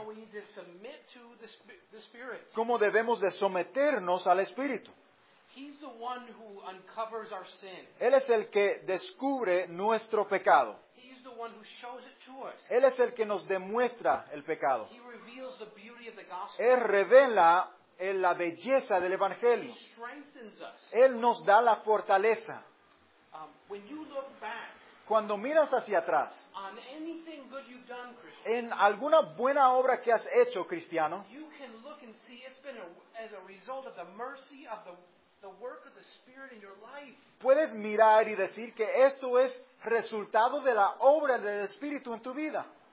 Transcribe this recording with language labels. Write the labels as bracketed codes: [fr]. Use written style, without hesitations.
[en] how we need to submit to the Spirit. [es] Cómo debemos de someternos al Espíritu. [en] He's the one who uncovers our sin. [es] Él es el que descubre nuestro pecado. [en] He's the one who shows it to us. [es] Él es el que nos demuestra el pecado. [en] He reveals the beauty of the gospel. [es] Él revela en la belleza del Evangelio. Él nos da la fortaleza. [en] When you look back, [es] cuando miras hacia atrás, [en] on anything good you've done, Christian, [es] en alguna buena obra que has hecho, cristiano, [en] you can look and see it's been as a result of the mercy of the work of the Spirit in your life. [es] Puedes mirar y decir que esto es resultado de la obra del Espíritu en tu vida.